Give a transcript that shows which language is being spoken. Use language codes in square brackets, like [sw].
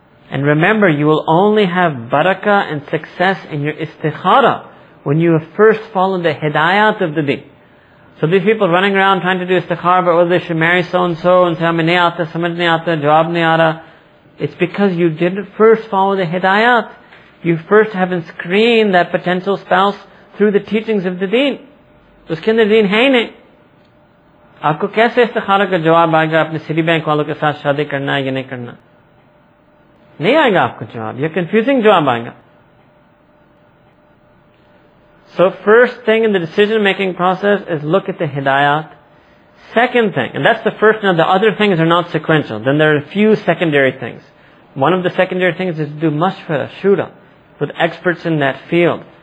[en] And remember, you will only have barakah and success in your istikhara when you have first followed the hidayat of the deen. So these people running around trying to do istikhara about whether they should marry so-and-so and say, [ur] amin ne'ata, samaj ne'ata, jawab ne'ata. [en] It's because you didn't first follow the hidayat. You first haven't screened that potential spouse through the teachings of the deen. [ur] اس کے اندر دین ہے نہیں۔ آپ کو کیسے استخارہ کا جواب آئے گا اپنے سٹی بینک والوں کے ساتھ شادی کرنا ہے یا نہیں کرنا؟ نہیں آئے گا آپ کو جواب۔ یہ کنفیوزنگ جواب آئے گا۔ [en] So first thing in the decision making process is look at the hidayat. Second thing, and that's the first, now the other things are not sequential. Then there are a few secondary things. One of the secondary things is to do mashwara, shura, with experts in that field.